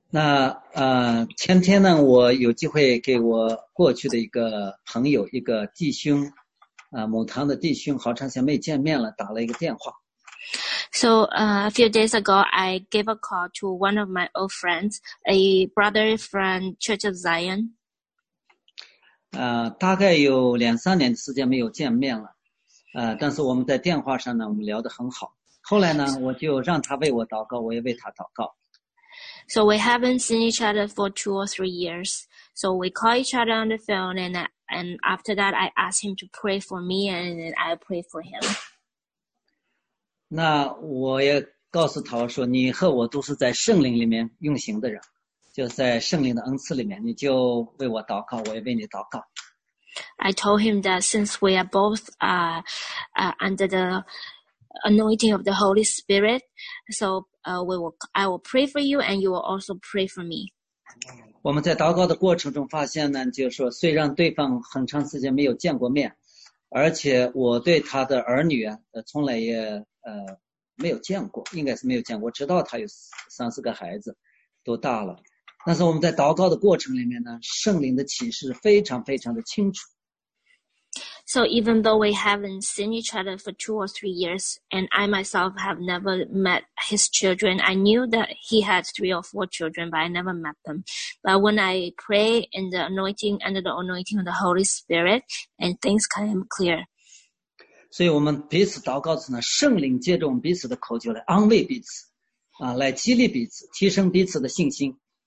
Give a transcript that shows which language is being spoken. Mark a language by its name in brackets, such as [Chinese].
[Chinese] 那前天呢，我有机会给我过去的一个朋友，一个弟兄，某堂的弟兄，好长时间没见面了，打了一个电话。 [English] So, a few days ago, I gave a call to one of my old friends, a brother from Church of Zion. [Chinese] 大概有2、3年的时间没有见面了，但是我们在电话上呢，我们聊得很好。后来呢，我就让他为我祷告，我也为他祷告。 [English] So we haven't seen each other for 2 or 3 years. So we call each other on the phone, and after that, I asked him to pray for me, and I pray for him. [Chinese] 那我也告诉他说，你和我都是在圣灵里面运行的人，就在圣灵的恩赐里面，你就为我祷告，我也为你祷告。 [English] I told him that since we are both under the anointing of the Holy Spirit, so I will pray for you and you will also pray for me. [Chinese] 我们在祷告的过程中发现呢，就是说，虽然对方很长时间没有见过面，而且我对他的儿女啊，从来也。没有见过，应该是没有见过。知道他有3、4个孩子，都大了。但是我们在祷告的过程里面呢，圣灵的启示非常非常的清楚。 [English] So even though we haven't seen each other for 2 or 3 years, and I myself have never met his children, I knew that he had 3 or 4 children, but I never met them. But when I pray in the anointing, under the anointing of the Holy Spirit, and things come clear. [Chinese] 所以我们彼此祷告时呢，圣灵借着我们彼此的口就来安慰彼此，来激励彼此，提升彼此的信心。